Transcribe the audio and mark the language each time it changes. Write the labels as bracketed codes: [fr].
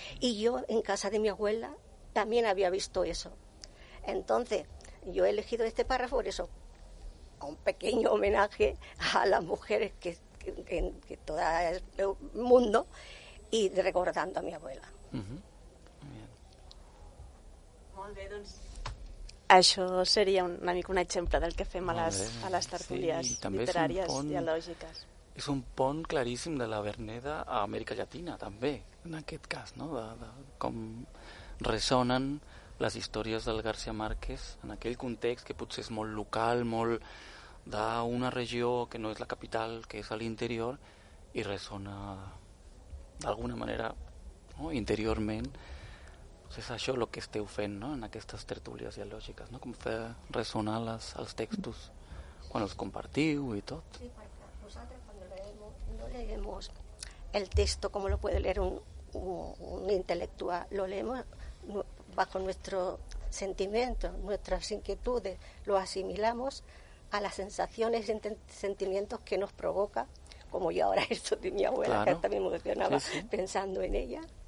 [es] Y yo en casa de mi abuela también había visto eso. Entonces yo he elegido este párrafo por eso, un pequeño homenaje a las mujeres que... En todo el mundo, y recordando a mi abuela. [ca] Molt bé, doncs això seria una mica un exemple del que fem a les tertúlies, sí, literàries, pont, dialògiques. És un pont claríssim de la Verneda a Amèrica Llatina, també, en aquest cas, no? De com ressonen les històries del García Márquez en aquell context que potser és molt local, molt... d'una regió que no és la capital, que és a l'interior, i ressona d'alguna manera, no?, interiorment. Pues és això el que esteu fent, no?, en aquestes tertúlies dialògiques, no?, com fer ressonar els textos quan els compartiu i tot. Sí, vosaltres quan [es] leemos el texto como lo puede leer un intelectual, lo leemos bajo nuestro sentimiento, nuestras inquietudes, lo asimilamos a las sensaciones y sentimientos que nos provoca, como yo ahora esto de mi abuela, claro, que también me emocionaba, sí, sí, pensando en ella.